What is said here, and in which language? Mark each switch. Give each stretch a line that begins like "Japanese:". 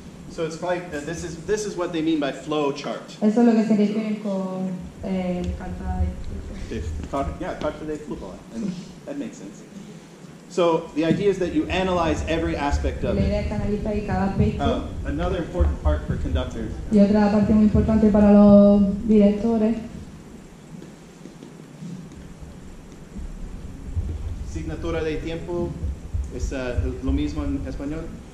English: So it's like this is what they mean by flow chart.
Spanish: Eso es lo que se refiere con carta de flujo.
English: Yeah, carta de flujo. That makes sense. So the idea is that you analyze every aspect of it. Another important part for conductors.
Spanish: Y otra parte muy importante para los directores. Signatura de tiempo es lo mismo en español.